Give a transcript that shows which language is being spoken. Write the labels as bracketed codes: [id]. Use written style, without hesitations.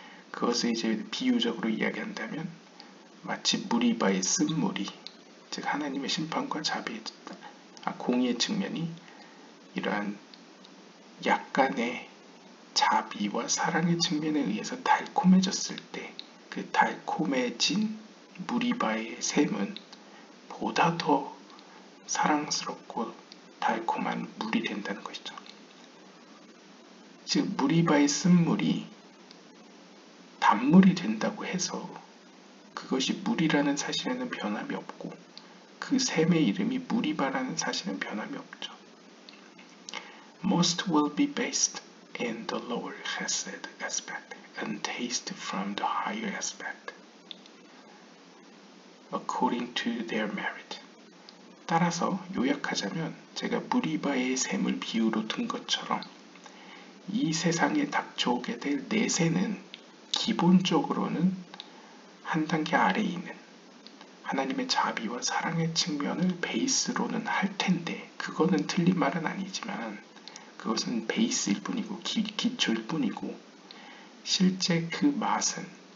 [ko] 그것을 이제 비유적으로 이야기한다면 마치 물이 바에 쓴 물이 즉 하나님의 심판과 자비의 공의의 측면이 이러한 약간의 자비와 사랑의 측면에 의해서 달콤해졌을 때 그 달콤해진 물이 바의 샘은 보다 더 사랑스럽고 달콤한 물이 된다는 것이죠. 즉 무리바의 쓴물이 단물이 된다고 해서 그것이 물이라는 사실에는 변함이 없고 그 샘의 이름이 무리바라는 사실은 변함이 없죠. [en] Most will be based in the lower chesed aspect and taste from the higher aspect according to their merit. [ko] 따라서 요약하자면 제가 무리바의 샘을 비유로 든 것처럼 이 세상에 닥쳐오게 될 내세는 기본적으로는 한 단계 아래에 있는 하나님의 자비와 사랑의 측면을 베이스로는 할 텐데 그거는 틀린 말은 아니지만 그것은 베이스일 뿐이고 기초일 뿐이고 실제 그 맛은